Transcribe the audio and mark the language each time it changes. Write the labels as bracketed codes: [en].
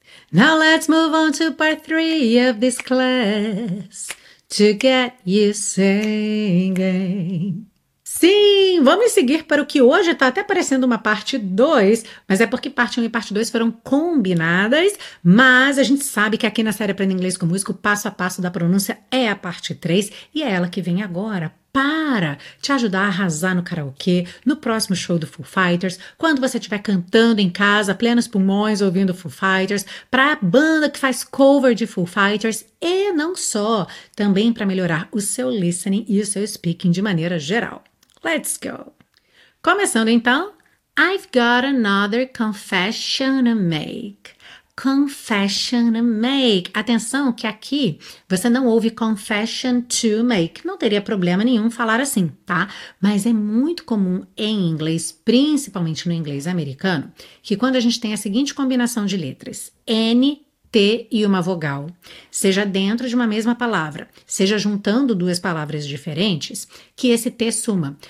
[en] Now let's move on to part 3 of this class. To get you singing. [pt] Sim, vamos seguir para o que hoje está até parecendo uma parte 2, mas é porque parte 1 e parte 2 foram combinadas, mas a gente sabe que aqui na série Aprenda Inglês com Músico, o passo a passo da pronúncia é a parte 3, e é ela que vem agora. para te ajudar a arrasar no karaokê, no próximo show do Foo Fighters, quando você estiver cantando em casa, plenos pulmões, ouvindo Foo Fighters, para a banda que faz cover de Foo Fighters e não só, também para melhorar o seu listening e o seu speaking de maneira geral. [en] Let's go! [pt] Começando então, [en] I've got another confession to make. Confession to make. [pt] Atenção que aqui você não ouve [en] confession to make. [pt] Não teria problema nenhum falar assim, tá? Mas é muito comum em inglês, principalmente no inglês americano, que quando a gente tem a seguinte combinação de letras, N, T e uma vogal, seja dentro de uma mesma palavra, seja juntando duas palavras diferentes, que esse T suma.